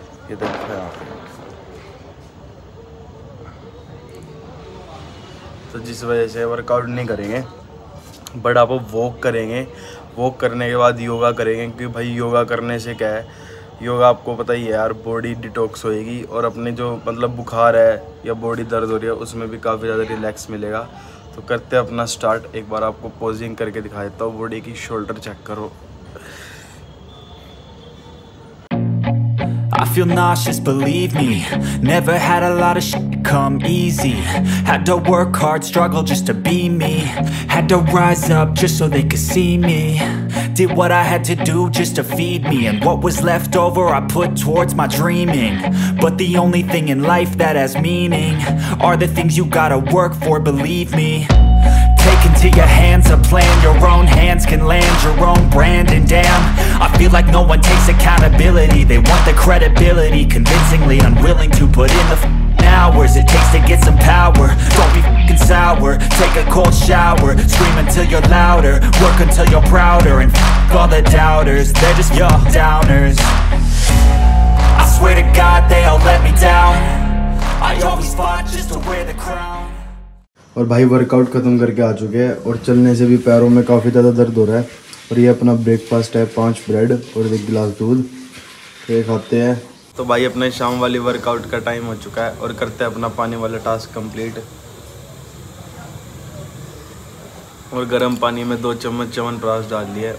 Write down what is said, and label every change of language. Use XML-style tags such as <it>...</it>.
<hi>ये देखो यहाँ, तो जिस वजह से वर्कआउट नहीं करेंगे, बट आप वॉक करेंगे, वॉक करने के बाद योगा करेंगे, क्योंकि भाई योगा करने से क्या है, योगा आपको पता ही है यार, बॉडी डिटॉक्स होएगी और अपने जो मतलब बुखार है या बॉडी दर्द हो रही है उसमें भी काफ़ी ज़्यादा रिलैक्स मिलेगा। तो करते हैं अपना स्टार्ट, एक बार आपको पोजिंग करके दिखा देता हूँ, बॉडी की शोल्डर चेक करो।</hi> <en>I feel nauseous, believe me. Never had a lot of shit come easy. Had to work hard, struggle just to be me. Had to rise up just so they could see me. Did what I had to do just to feed me. And what was left over I put towards my dreaming. But the only thing in life that has meaning are the things you gotta work for, believe me. Take into your hands a plan. Your own hands can land your own brand. And damn, I feel like no one takes accountability. They want the credibility, convincingly unwilling to put in the hours it takes to get some power. Don't be f***ing sour, take a cold shower. Scream until you're louder, work until you're prouder. And f*** all the doubters, they're just your downers. I swear to God they all let me down. I always fought just to wear the crown.</en> <hi>और भाई workout ख़त्म करके आ चुके हैं और चलने से भी पैरों में काफ़ी ज़्यादा दर्द हो रहा है, और ये अपना ब्रेकफास्ट है, 5 ब्रेड और 1 गिलास दूध, तो ये खाते हैं। तो भाई अपने शाम वाली वर्कआउट का टाइम हो चुका है, और करते हैं अपना पानी वाला टास्क कंप्लीट, और गर्म पानी में 2 चम्मच च्यवनप्राश डाल लिए।</hi>